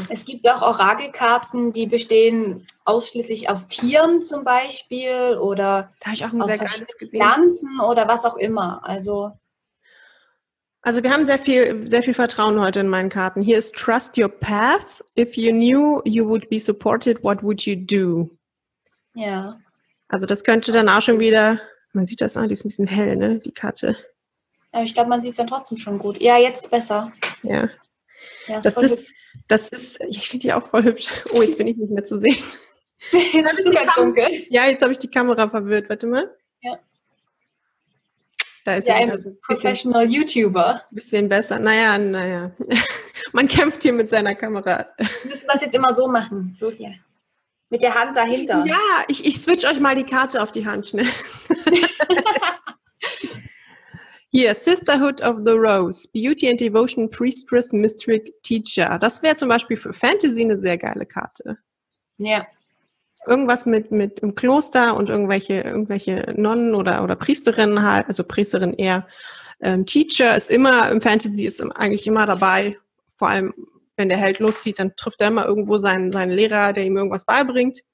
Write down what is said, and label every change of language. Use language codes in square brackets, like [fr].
[de] Es gibt auch Orakelkarten, die bestehen ausschließlich aus Tieren zum Beispiel oder da ich auch ein aus sehr geiles gesehen. Pflanzen oder was auch immer. Also Wir haben sehr viel Vertrauen heute in meinen Karten. Hier ist [en] Trust your path. If you knew you would be supported, what would you do? [de] Ja. Also das könnte dann auch schon wieder, man sieht das auch, die ist ein bisschen hell, ne, die Karte. Aber ich glaube, man sieht es dann trotzdem schon gut. Ja, jetzt besser. Ja. Das ist, ich finde die auch voll hübsch. Oh, jetzt bin ich nicht mehr zu sehen. Jetzt bist du ganz dunkel. Ja, jetzt habe ich die Kamera verwirrt. Warte mal. Ja. Da ist ja, ein Professional YouTuber. Bisschen besser. Naja. Man kämpft hier mit seiner Kamera. Wir müssen das jetzt immer so machen. So hier. Mit der Hand dahinter. Ja, ich switch euch mal die Karte auf die Hand schnell. [en] Hier, Sisterhood of the Rose. Beauty and Devotion, Priestess, Mystic Teacher. [de] Das wäre zum Beispiel für Fantasy eine sehr geile Karte. Ja. Irgendwas mit im Kloster und irgendwelche Nonnen oder Priesterinnen halt, also Priesterin eher. Teacher ist immer, im Fantasy ist eigentlich immer dabei. Vor allem, wenn der Held loszieht, dann trifft er immer irgendwo seinen Lehrer, der ihm irgendwas beibringt.